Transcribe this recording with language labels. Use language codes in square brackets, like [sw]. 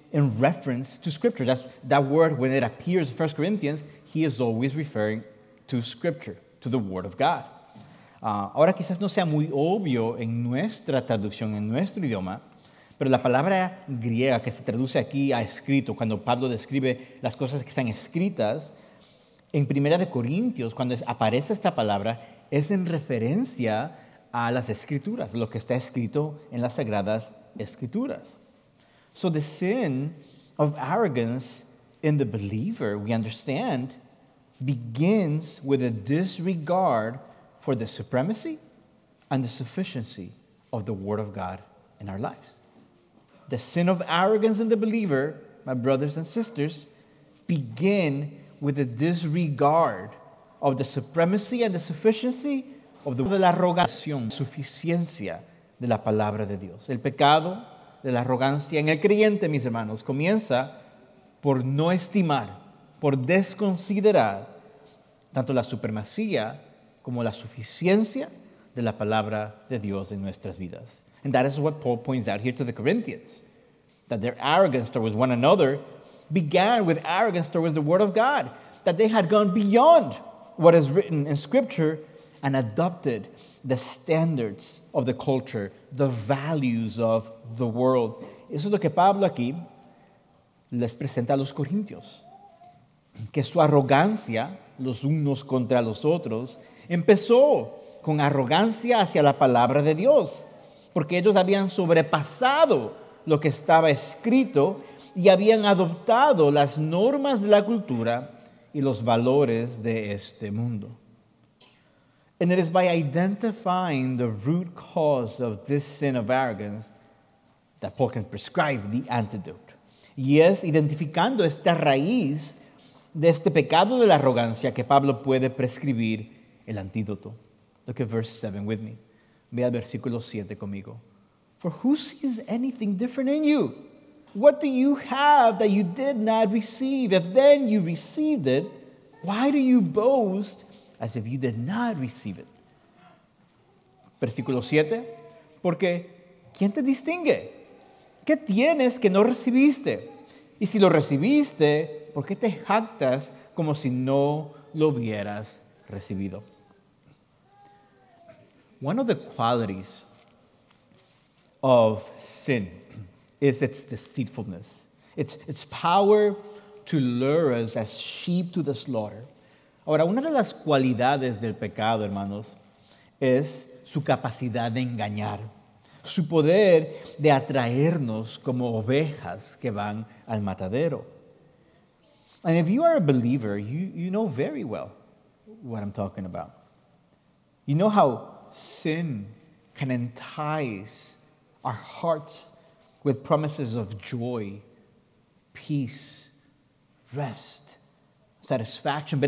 [en] in reference to Scripture. That's, that word, when it appears in 1 Corinthians, he is always referring to Scripture, to the Word of God. [es] Ahora, quizás no sea muy obvio en nuestra traducción, en nuestro idioma, pero la palabra griega que se traduce aquí a escrito, cuando Pablo describe las cosas que están escritas, en 1 Corintios, cuando aparece esta palabra, es en referencia a las Escrituras, lo que está escrito en las Sagradas Escrituras. [en] So the sin of arrogance in the believer, we understand, begins with a disregard for the supremacy and the sufficiency of the Word of God in our lives. The sin of arrogance in the believer, my brothers and sisters, begin with a disregard of the supremacy and the sufficiency of the [es] de la arrogación, suficiencia de la palabra de Dios. El pecado de la arrogancia en el creyente, mis hermanos, comienza por no estimar, por desconsiderar tanto la supremacía como la suficiencia de la palabra de Dios en nuestras vidas. [en] And that is what Paul points out here to the Corinthians, that their arrogance towards one another began with arrogance towards the Word of God, that they had gone beyond what is written in Scripture and adopted the standards of the culture, the values of the world. [es] Eso es lo que Pablo aquí les presenta a los corintios, que su arrogancia, los unos contra los otros, empezó con arrogancia hacia la palabra de Dios, porque ellos habían sobrepasado lo que estaba escrito y habían adoptado las normas de la cultura y los valores de este mundo. [en] And it is by identifying the root cause of this sin of arrogance that Paul can prescribe the antidote. [es] Y es identificando esta raíz de este pecado de la arrogancia que Pablo puede prescribir el antídoto. [en] Look at verse 7 with me. [es] Ve al versículo 7 conmigo. [en] For who sees anything different in you? What do you have that you did not receive? If then you received it, why do you boast as if you did not receive it? [es] Versículo 7. Porque, ¿quién te distingue? ¿Qué tienes que no recibiste? Y si lo recibiste, ¿por qué te jactas como si no lo hubieras recibido? [en] One of the qualities of sin is its deceitfulness. Its power to lure us as sheep to the slaughter. [es] Ahora, una de las cualidades del pecado, hermanos, es su capacidad de engañar, su poder de atraernos como ovejas que van al matadero. [en] And if you are a believer, you know very well what I'm talking about. You know how sin can entice our hearts with promises of joy, peace, rest, satisfaction.